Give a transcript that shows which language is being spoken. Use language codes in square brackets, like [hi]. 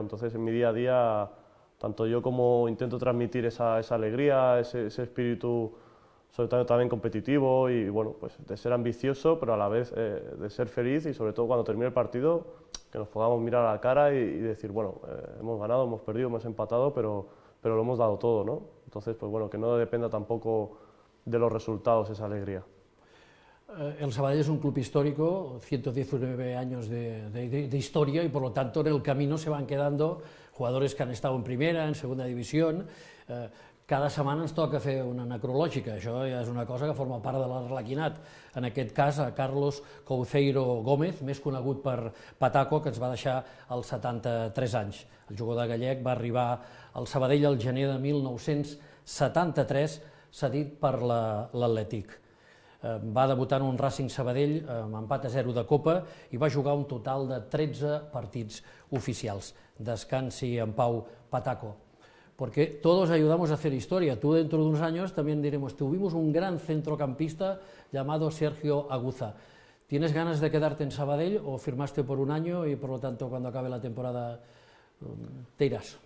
[es] Entonces, en mi día a día, tanto yo como intento transmitir esa alegría, ese espíritu, sobre todo también competitivo, y bueno, pues de ser ambicioso, pero a la vez de ser feliz, y sobre todo cuando termine el partido, que nos podamos mirar a la cara y decir, bueno, hemos ganado, hemos perdido, hemos empatado, pero lo hemos dado todo, ¿no? Entonces, pues bueno, que no dependa tampoco de los resultados esa alegría. El Sabadell es un club histórico, 119 años de historia y por lo tanto en el camino se van quedando jugadores que han estado en primera, en segunda división. [ca] Cada setmana ens toca fer una necrològica, això ja és una cosa que forma part de l'Arlequinat. En aquest cas, a Carlos Couceiro Gómez, més conegut per Pataco, que ens va deixar als 73 anys. El jugador gallec va arribar al Sabadell el gener de 1973. 73, cedit per l'Atlètic. Va debutar en un Racing Sabadell amb empat a 0 de Copa i va jugar un total de 13 partits oficials. Descansi en pau, Pataco. [es] Porque todos ayudamos a hacer historia. Tú dentro de unos años también diremos, tuvimos un gran centrocampista llamado Sergio Aguza. ¿Tienes ganas de quedarte en Sabadell o firmaste por un año y por lo tanto cuando acabe la temporada te irás?